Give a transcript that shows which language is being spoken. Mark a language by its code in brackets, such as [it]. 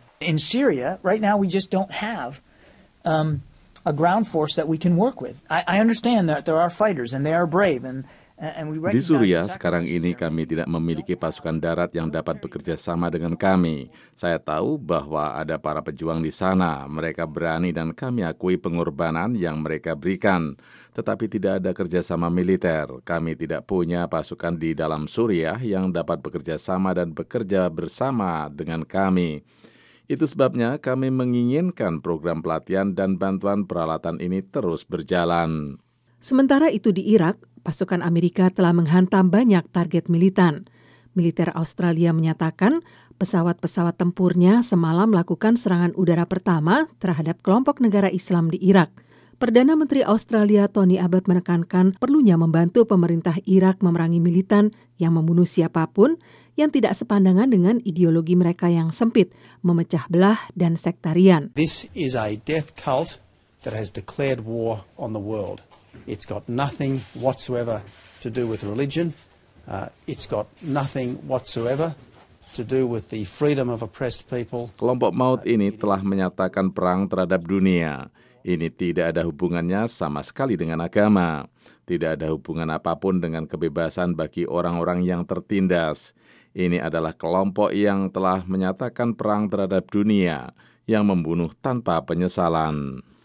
[en] "In Syria, right now we just don't have a ground force that we can work with. I understand that there are fighters and they are brave and [id] Di Suriah, sekarang ini kami tidak memiliki pasukan darat yang dapat bekerja sama dengan kami. Saya tahu bahwa ada para pejuang di sana. Mereka berani dan kami akui pengorbanan yang mereka berikan. Tetapi tidak ada kerjasama militer. Kami tidak punya pasukan di dalam Suriah yang dapat bekerja sama dan bekerja bersama dengan kami. Itu sebabnya kami menginginkan program pelatihan dan bantuan peralatan ini terus berjalan." Sementara itu di Irak, pasukan Amerika telah menghantam banyak target militan. Militer Australia menyatakan pesawat-pesawat tempurnya semalam melakukan serangan udara pertama terhadap kelompok negara Islam di Irak. Perdana Menteri Australia Tony Abbott menekankan perlunya membantu pemerintah Irak memerangi militan yang membunuh siapapun yang tidak sepandangan dengan ideologi mereka yang sempit, memecah belah dan sektarian. [en] This is a death cult that has declared war on the world. It's got nothing whatsoever to do with religion. It's got nothing whatsoever to do with the freedom of oppressed people. [id] Kelompok Maut ini telah menyatakan perang terhadap dunia. Ini tidak ada hubungannya sama sekali dengan agama. Tidak ada hubungan apapun dengan kebebasan bagi orang-orang yang tertindas. Ini adalah kelompok yang telah menyatakan perang terhadap dunia yang membunuh tanpa penyesalan.